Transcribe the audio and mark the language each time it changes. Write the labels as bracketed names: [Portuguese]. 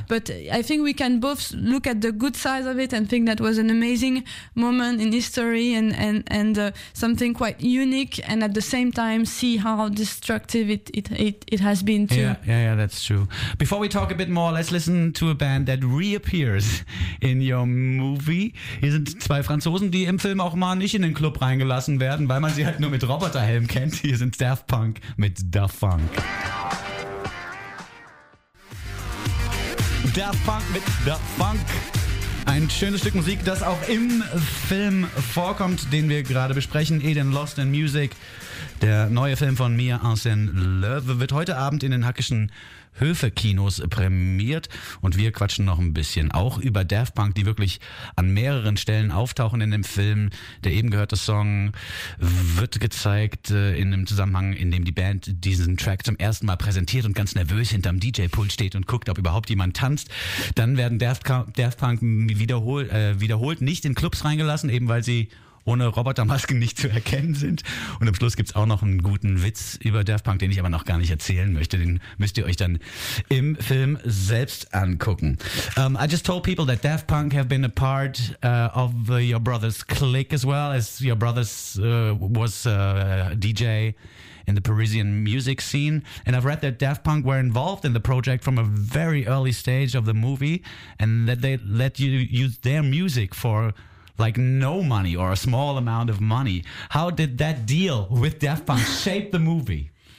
[English] but I think we can both look at the good side of it and think that was an amazing moment in history and something quite unique, and at the same time see how destructive it has been too. Yeah, that's true. Before we talk a bit more, let's listen to a band that reappears in your movie. [German] Hier sind zwei Franzosen, die im Film auch mal nicht in den Club reingelassen werden, weil man sie halt nur mit Roboterhelm kennt. Hier sind Daft Punk mit Da Funk. Daft Punk mit Da Funk. Ein schönes Stück Musik, das auch im Film vorkommt, den wir gerade besprechen, Eden Lost in Music. Der neue Film von Mia Arsène Loewe wird heute Abend in den hackischen Höfe-Kinos prämiert, und wir quatschen noch ein bisschen auch über Daft Punk, die wirklich an mehreren Stellen auftauchen in dem Film. Der eben gehörte Song wird gezeigt in einem Zusammenhang, in dem die Band diesen Track zum ersten Mal präsentiert und ganz nervös hinterm DJ-Pult steht und guckt, ob überhaupt jemand tanzt. Dann werden Daft Punk wiederholt nicht in Clubs reingelassen, eben weil sie ohne Robotermasken nicht zu erkennen sind. Und am Schluss gibt's auch noch einen guten Witz über Daft Punk, den ich aber noch gar nicht erzählen möchte. Den müsst ihr euch dann im Film selbst angucken. [English] I just told people that Daft Punk have been a part of your brother's clique as well, as your brother's was a DJ in the Parisian music scene. And I've read that Daft Punk were involved in the project from a very early stage of the movie, and that they let you use their music for like no money or a small amount of money. How did that deal with Daft Punk shape the movie?